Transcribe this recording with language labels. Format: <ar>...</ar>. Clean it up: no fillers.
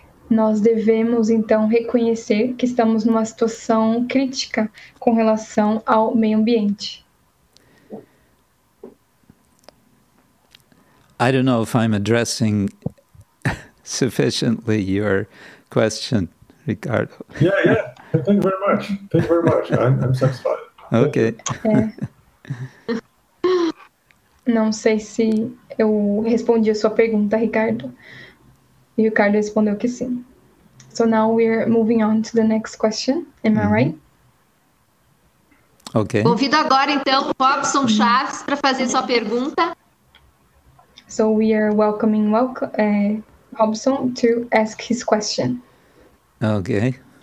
<pt>Nós devemos então reconhecer que estamos numa situação crítica com relação ao meio ambiente.</pt> <en>I don't know if I'm addressing sufficiently your question, Ricardo. Yeah. Thank you very much. Thank you very much. I'm satisfied. Okay.</en> <pt>Não sei se eu respondi a sua pergunta, Ricardo. E o Ricardo respondeu que sim.</pt> <en>So now we're moving on to the next question. Am I right? Okay.</en> <pt>Convido agora, então, Robson Chaves para fazer sua pergunta.</pt> <en>So we are welcoming Robson to ask his question. Okay.</en>